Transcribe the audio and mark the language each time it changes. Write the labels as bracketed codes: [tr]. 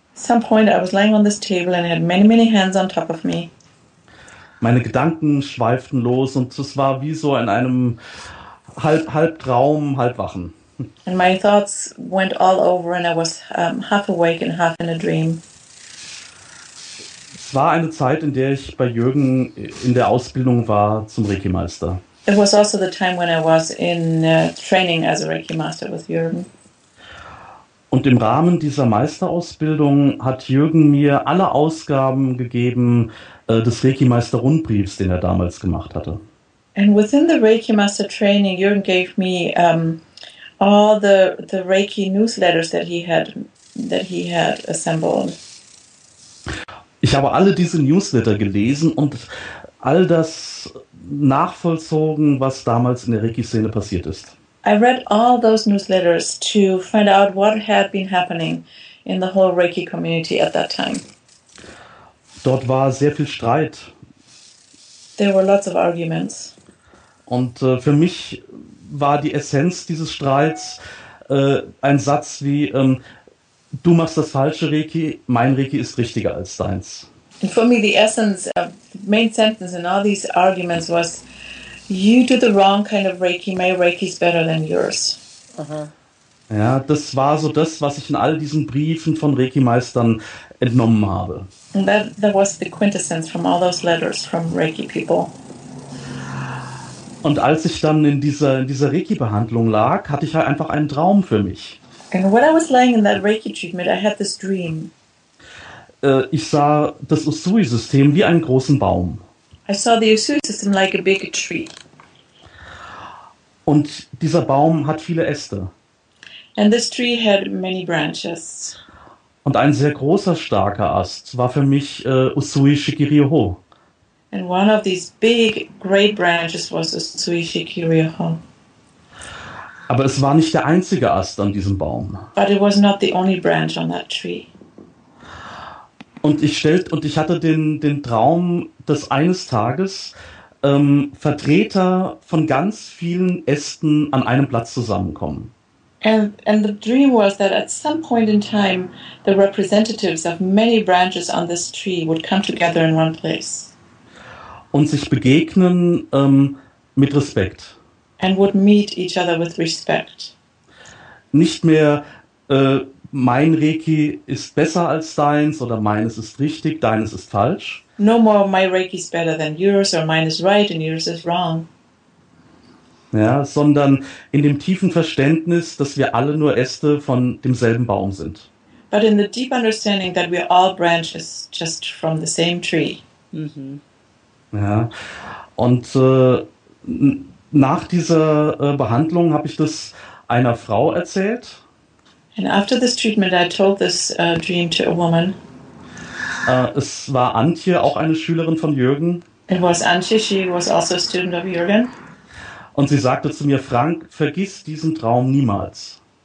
[en] Some point I was lying on this table and I had many, many hands on top of me. [de] Meine Gedanken schweiften los und es war wie so in einem halb Traum, halb Wachen. [en] And my thoughts went all over and I was half awake and half in a dream. [de] Es war eine Zeit, in der ich bei Jürgen in der Ausbildung war zum Reiki-Meister. [en] It was also the time when I was in training as a Reiki master with Jürgen. [de] Und im Rahmen dieser Meisterausbildung hat Jürgen mir alle Ausgaben gegeben des Reiki-Meister-Rundbriefs, den er damals gemacht hatte. [en] And within the Reiki master training, Jürgen gave me all the Reiki newsletters that he had assembled. [de] Ich habe alle diese Newsletter gelesen und all das nachvollzogen, was damals in der Reiki-Szene passiert ist. [en] I read all those newsletters to find out what had been happening in the whole Reiki community at that time. [de] Dort war sehr viel Streit. [en] There were lots of arguments. [de] Und für mich war die Essenz dieses Streits ein Satz wie, du machst das falsche Reiki, mein Reiki ist richtiger als deins. [en] And for me, the essence, the main sentence in all these arguments was, you do the wrong kind of Reiki, my Reiki is better than yours. Uh-huh. [de] Ja, das war so das, was ich in all diesen Briefen von Reiki-Meistern entnommen habe. [en] And that was the quintessence from all those letters from Reiki people. [de] Und als ich dann in dieser Reiki-Behandlung lag, hatte ich halt einfach einen Traum für mich. [en] And when I was lying in that Reiki treatment, I had this dream. [de] Ich sah das Usui-System wie einen großen Baum. [en] I saw the Usui system like a big tree. [de] Und dieser Baum hat viele Äste. [en] And this tree had many branches. [de] Und ein sehr großer, starker Ast war für mich Usui Shikiri-ho. [en] And one of these big, great branches was Usui Shikiri-ho. [de] Aber es war nicht der einzige Ast an diesem Baum. [en] But it was not the only branch on that tree. [de] Und ich hatte den Traum, dass eines Tages Vertreter von ganz vielen Ästen an einem Platz zusammenkommen. [en] And the dream was that at some point in time the representatives of many branches on this tree would come together in one place. [de] Und sich begegnen mit Respekt. [en] And would meet each other with respect. [de] Nicht mehr mein Reiki ist besser als deins oder meines ist richtig, deines ist falsch. [en] No more my Reiki is better than yours or mine is right and yours is wrong. [de] Ja, sondern in dem tiefen Verständnis, dass wir alle nur Äste von demselben Baum sind. [en] But in the deep understanding that we are all branches just from the same tree. Mhm. [de] Ja, und nach dieser Behandlung habe ich das einer Frau erzählt. [en] And after this treatment, I told this dream to a woman. [de] Es war Antje, auch eine Schülerin von Jürgen. [en] It was Antje, she was also a student of Jürgen. [de] Und sie sagte zu mir, Frank, vergiss diesen Traum niemals.